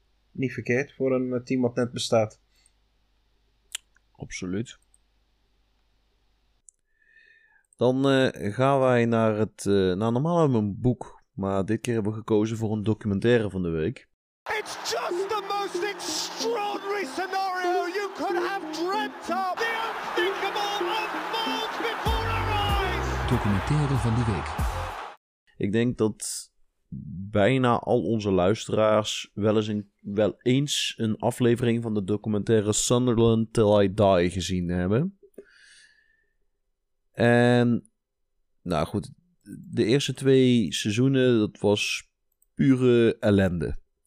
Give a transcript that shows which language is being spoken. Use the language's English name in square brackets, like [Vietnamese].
[Dutch] niet verkeerd voor een team wat net bestaat. Absoluut. Dan gaan wij naar het... nou, normaal hebben we een boek. Maar dit keer hebben we gekozen voor een documentaire van de week. [English] It's just the most extraordinary scenario you could have dreamt of. The unthinkable unfolds before our eyes. [Dutch] Documentaire van de week. Ik denk dat... bijna al onze luisteraars wel eens een aflevering van de documentaire Sunderland Till I Die gezien hebben. En, nou goed, de eerste twee seizoenen, dat was pure ellende.